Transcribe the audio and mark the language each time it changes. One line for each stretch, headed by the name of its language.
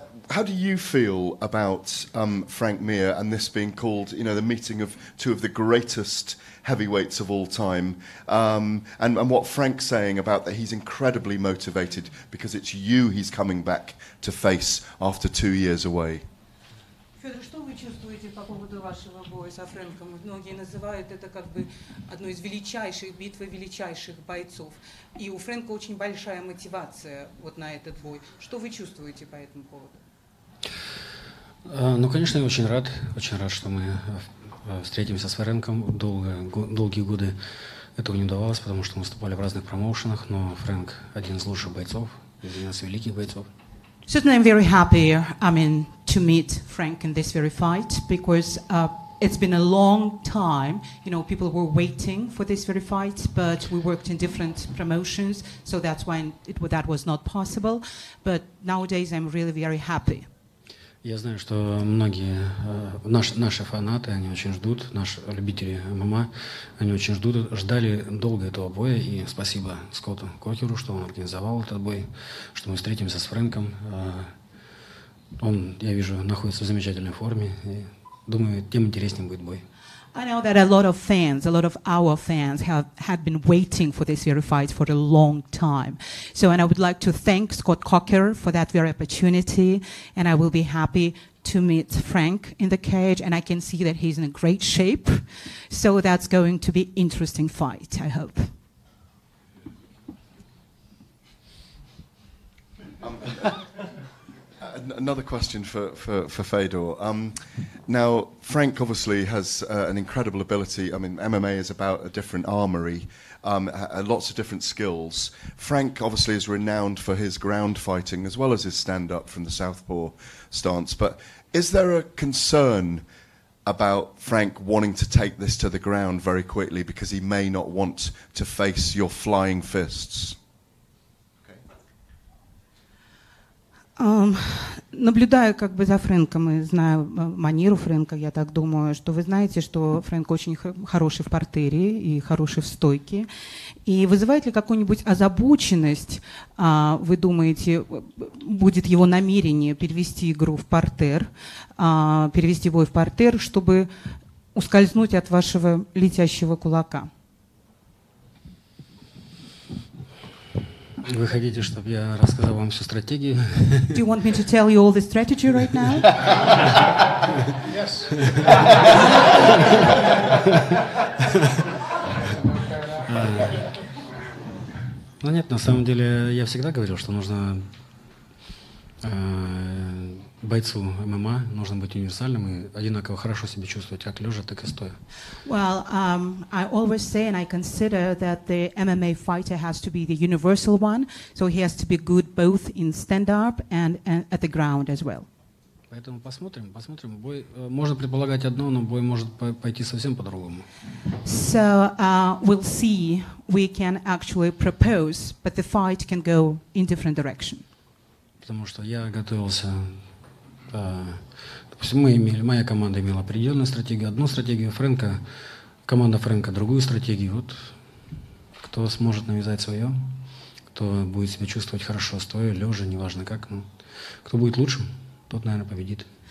English: How do you feel about Frank Mir and this being called, you know, the meeting of two of the greatest heavyweights of all time? And what Frank's saying about that he's incredibly motivated because it's you he's coming back to face after 2 years away.
Russian: Федор, что вы чувствуете по поводу вашего боя со Фрэнком? Многие называют это как бы одной из величайших битв величайших бойцов. И у Фрэнка очень большая мотивация вот на этот бой. Что вы чувствуете по этому поводу? Ну, конечно, я очень рад, что мы встретимся с Фрэнком. Долгие годы этого не удавалось, потому что мы выступали в разных промоушенах, но Фрэнк один из лучших бойцов, один из великих бойцов.
English: Certainly I'm very happy, I mean, to meet Frank in this very fight, because it's been a long time. You know, people were waiting for this very fight, but we worked in different promotions, so that's why that was not possible. But nowadays I'm really very happy.
Russian: Я знаю, что многие наши фанаты, они очень ждут, наши любители ММА, они очень ждут, ждали долго этого боя. И спасибо Скотту Кокеру, что он организовал этот бой, что мы встретимся с Фрэнком. Он, я вижу, находится в замечательной форме. И думаю, тем интереснее будет бой.
English: I know that a lot of fans, a lot of our fans have been waiting for this very fight for a long time. So, and I would like to thank Scott Cocker for that very opportunity, and I will be happy to meet Frank in the cage, and I can see that he's in great shape. So that's going to be an interesting fight, I hope. Another question for Fedor. Now, Frank obviously has an incredible ability. I mean, MMA is about a different armory, lots of different skills. Frank obviously is renowned for his ground fighting as well as his stand-up from the southpaw stance. But is there a concern about Frank wanting to take this to the ground very quickly because he may not want to face your flying fists?
Russian: Наблюдаю как бы за Фрэнком и знаю манеру Фрэнка, я так думаю, что вы знаете, что Фрэнк очень хороший в партере и хороший в стойке. И вызывает ли какую-нибудь озабоченность, вы думаете, будет его намерение перевести игру в партер, перевести бой в партер, чтобы ускользнуть от вашего летящего кулака? Вы хотите, чтобы я рассказал вам всю стратегию?
English: Do you want me to tell you all the strategy right now? Yes.
Russian: Ну нет, на самом деле я всегда говорил, что нужно бойцу ММА нужно быть универсальным и одинаково хорошо себя чувствовать как лежа, так и стоя.
English: Well, I always say and I consider that the MMA fighter has to be the universal one, so he has to be good both in stand-up and at the ground as well.
Russian: Поэтому посмотрим. Бой можно предполагать одно, но бой может пойти совсем по-другому.
English: So, we'll see. We can actually propose, but the fight can go in different direction.
Russian: Потому что я готовился. Допустим, моя команда имела определенную стратегию, одну стратегию Фрэнка, команда Фрэнка другую стратегию. Вот кто сможет навязать свое, кто будет себя чувствовать хорошо, стоя, лежа, неважно как, но кто будет лучшим, тот, наверное, победит.